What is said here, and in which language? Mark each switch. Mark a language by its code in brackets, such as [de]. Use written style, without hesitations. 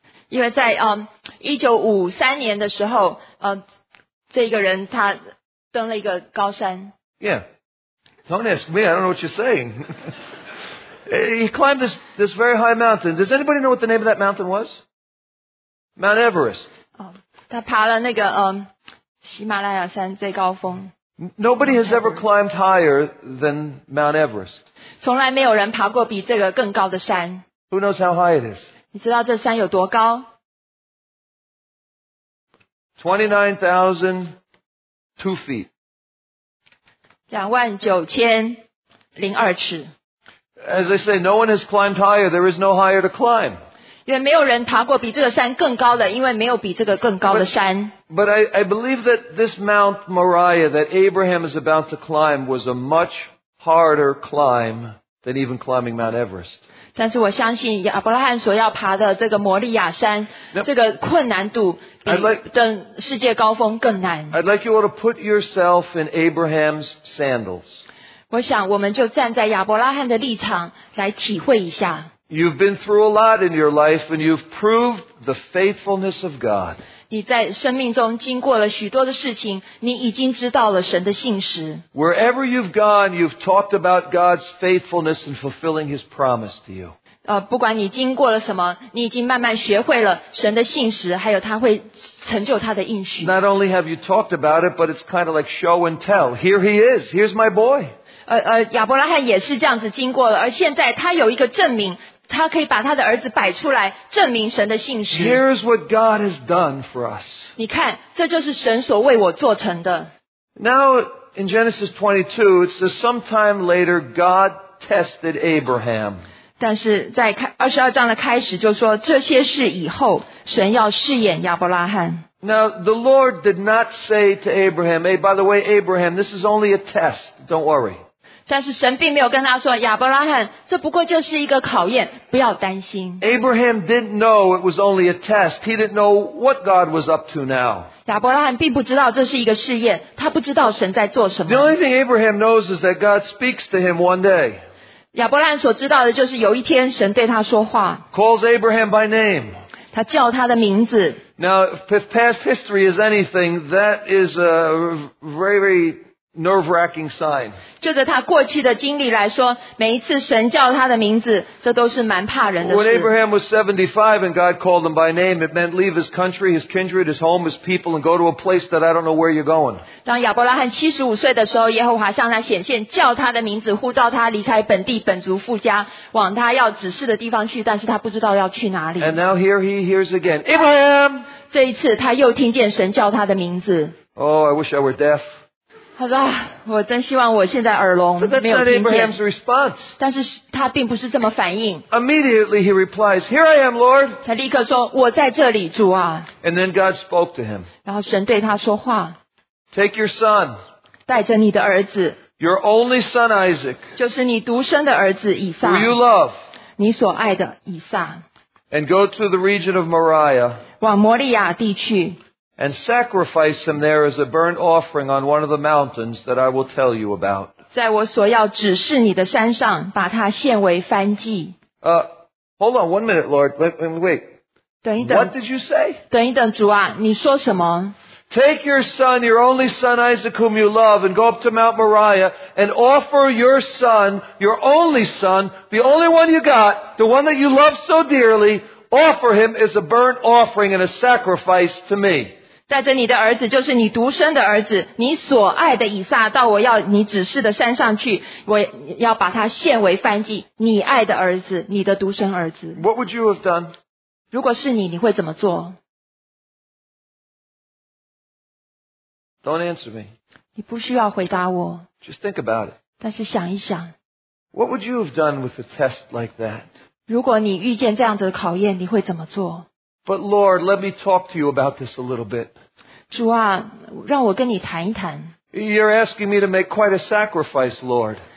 [zh] 因为在1953年的时候这个人他登了一个高山。 [en] Yeah. Don't ask me, I don't know what you're saying. He climbed this very high mountain. Does anybody know what the name of that mountain was? Mount Everest. [zh] 他爬了那个喜马拉雅山最高峰。 [en] Nobody has ever climbed higher than Mount Everest. [zh] 从来没有人爬过比这个更高的山。 [en] Who knows how high it is? [zh] 你知道这山有多高 [en] ?29,002 feet. [zh] 29,002尺。 [en] As I say, no one has climbed higher, there is no higher to climb. [zh] 因为没有人爬过比这个山更高的，因为没有比这个更高的山。 [en] But I believe that this Mount Moriah that Abraham is about to climb was a much harder climb than even climbing Mount Everest. [zh] 但是我相信亚伯拉罕所要爬的这个摩利亚山 [en] Now, [zh] 这个困难度比登世界高峰更难。 [en] I'd like you all to put yourself in Abraham's sandals. [zh] 我想我们就站在亚伯拉罕的立场来体会一下。 [en] You've been through a lot in your life and you've proved the faithfulness of God. [zh] 你在生命中经过了许多的事情，你已经知道了神的信实。 [en] Wherever you've gone, you've talked about God's faithfulness and fulfilling His promise to you. [zh] 不管你经过了什么，你已经慢慢学会了神的信实，还有他会成就他的应许。 [en] Not only have you talked about it, but it's kind of like show and tell. Here he is. Here's my boy. [zh] 亚伯拉罕也是这样子经过了，而现在他有一个证明，他可以把他的儿子摆出来，证明神的信实。 [en] Here's what God has done for us. [zh] 你看，这就是神所为我做成的。 [en] Now in Genesis 22, it says sometime later God tested Abraham. [zh] 但是在22章的开始就说这些事以后，神要试验亚伯拉罕。 [en] Now the Lord did not say to Abraham, "Hey, by the way, Abraham, this is only a test. Don't worry." [zh] 但是神并没有跟他说亚伯拉罕，这不过就是一个考验，不要担心。 [en] Abraham didn't know it was only a test. He didn't know what God was up to now. [zh] 亚伯拉罕并不知道这是一个试验，他不知道神在做什么。 [en] The only thing Abraham knows is that God speaks to him one day. [zh] 亚伯拉罕所知道的就是有一天神对他说话。 [en] Calls Abraham by name. [zh] 他叫他的名字。 [en] Now, if past history is anything, that is a very, very nerve-wracking sign. [zh] 就着他过去的经历来说，每一次神叫他的名字，这都是蛮怕人的事。 [en] When Abraham was 75 and God called him by name, it meant leave his country, his kindred, his home, his people, and go to a place that I don't know where you're going. [zh] 当亚伯拉罕75岁的时候，耶和华向他显现，叫他的名字，呼召他离开本地、本族、父家，往他要指示的地方去，但是他不知道要去哪里。 [en] And now here he hears again, Abraham! [zh] 这一次他又听见神叫他的名字。 [en] Oh, I wish I were deaf. [zh] 他说，我真希望我现在耳聋，没有听见。 [en] But that's not Abraham's response. [zh] 但是他并不是这么反应。 [en] Immediately he replies, Here I am, Lord. [zh] 他立刻说，我在这里，主啊。 [en] And then God spoke to him. [zh] 然后神对他说话。 [en] Take your son. [zh] 带着你的儿子。 [en] Your only son, Isaac. [zh] 就是你独生的儿子以撒。 [en] Who you love. [zh] 你所爱的以撒。 [en] And go to the region of Moriah. [zh] 往摩利亚地去。 [en] And sacrifice him there as a burnt offering on one of the mountains that I will tell you about. [zh] 在我所要指示你的山上，把它献为燔祭。 [en] Hold on one minute, Lord. Wait. [zh] 等一等。 [en] What did you say? [zh] 等一等，主啊，你说什么？ [en] Take your son, your only son Isaac, whom you love, and go up to Mount Moriah and offer your son, your only son, the only one you got, the one that you love so dearly, offer him as a burnt offering and a sacrifice to me. [zh] 带着你的儿子，就是你独生的儿子，你所爱的以撒，到我要你指示的山上去，我要把他献为燔祭。你爱的儿子，你的独生儿子。 [en] What would you have done? [zh] 如果是你，你会怎么做？ [en] Don't answer me. [zh] 你不需要回答我。 [en] Just think about it. [zh] 但是想一想。 [en] What would you have done with a test like that? [zh] 如果你遇见这样子的考验，你会怎么做？ [en] But Lord, let me talk to you about this a little bit. [zh] 主啊，让我跟你谈一谈。 [en] You're asking me to make quite a sacrifice, Lord.